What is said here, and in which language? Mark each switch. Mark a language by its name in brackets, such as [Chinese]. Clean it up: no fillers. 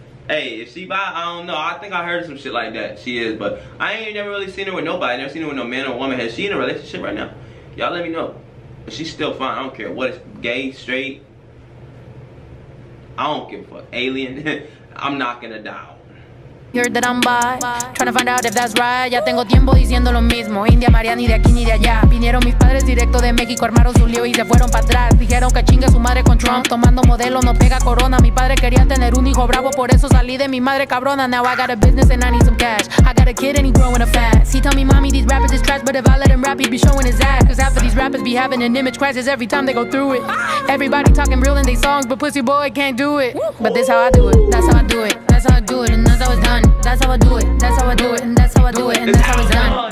[English] Hey, if she buy, I don't know. I think I heard some shit like that. She is, but I ain't never really seen her with nobody. Never seen her with no man or woman. Is she in a relationship right now? Y'all let me know. But she's still fine. I don't care what it's gay, straight. I don't give a fuck. Alien, I'm knocking her down. Heard that I'm bi, trying to find out if that's right. [Spanish] Ya tengo tiempo diciendo lo mismo. India, María, ni de aquí ni de allá. Vinieron mis padres directo de México, armaron su lío y se fueron para atrás. Dijeron que chinga su madre con Trump. Tomando modelo, no pega corona. Mi padre quería tener un hijo bravo, por eso salí de mi madre cabrona. [English] Now I got a business and I need some cash. I got a kid and he growing up fast. He tell me mommy these rappers is trash, but if I let him rap, he be showing his ass. Cause half of these rappers be having an image crisis every time they go through it. Everybody talking real in they songs, but pussy boy can't do it. But this how I do it, that's how I do it. That's how I do it, and that's how it's done. That's how I do it, that's how I do it, and that's how I do it, and that's how it's done.